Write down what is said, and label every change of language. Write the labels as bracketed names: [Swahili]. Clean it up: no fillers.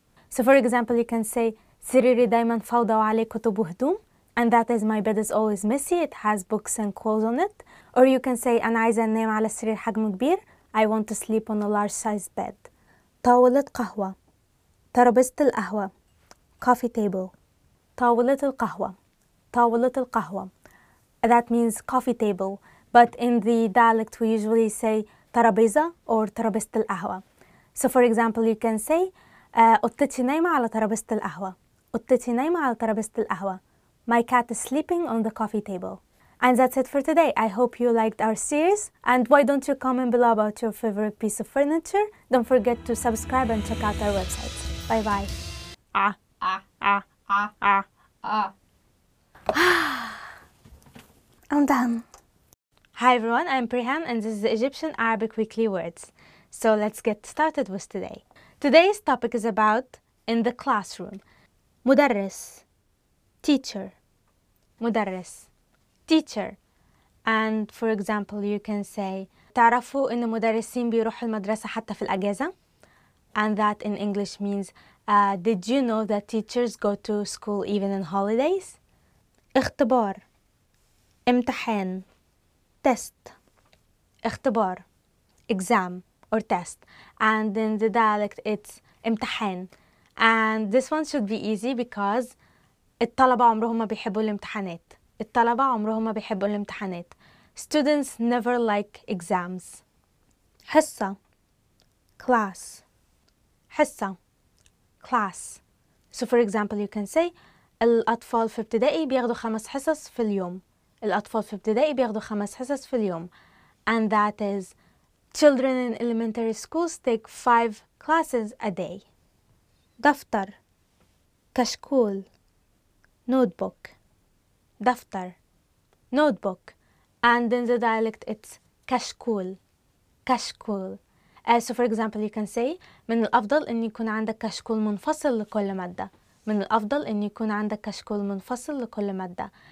[English] So for example, you can say [Arabic] سريري دايما فوضى وعليه كتب وهدوم. [English] And that is my bed is always messy. It has books and clothes on it. Or you can say [Arabic] أنا عايزة أنام على سرير حجمه كبير. [English] I want to sleep on a large size bed. [Arabic] طاولة قهوة. ترابيزة القهوة. Coffee table. طاولة القهوة. طاولة القهوة. [English] That means coffee table. But in the dialect we usually say ترابيزة or ترابيزة القهوة. So for example you can say [Arabic] قطتي نايمة على ترابيزة القهوة. قطتي نايمة على ترابيزة القهوة. [English] My cat is sleeping on the coffee table. And that's it for today. I hope you liked our series. And why don't you comment below about your favorite piece of furniture. Don't forget to subscribe and check out our website. Bye bye. I'm done. Hi everyone, I'm Prehan and this is the Egyptian Arabic Weekly Words. So let's get started with today. Today's topic is about in the classroom. [Arabic] مدرس. Teacher. مدرس. Teacher. [English] And for example, you can say [Arabic] تعرفوا ان مدرسين بيروحوا المدرسة حتى في الأجازة؟ [English] And that in English means, did you know that teachers go to school even in holidays? [Arabic] اختبار امتحان test [English] اختبار exam or test. And in the dialect it's امتحان. And this one should be easy because [Arabic] الطلبة عمرهم ما بيحبوا الامتحانات. الطلبة عمرهم ما بيحبوا الامتحانات. [English] Students never like exams. [Arabic] حصة class حصة class. [English] So for example you can say [Arabic] الأطفال في ابتدائي بياخدوا خمس حصص في اليوم. الأطفال في ابتدائي بياخدوا خمس حصص في اليوم. [English] And that is children in elementary schools take 5 classes a day. [Arabic] دفتر كشكول notebook دفتر notebook. [English] And in the dialect it's كشكول كشكول. So for example you can say [Arabic] من الأفضل أن يكون عندك كشكول منفصل لكل مادة. من الأفضل أن يكون عندك كشكول منفصل لكل مادة.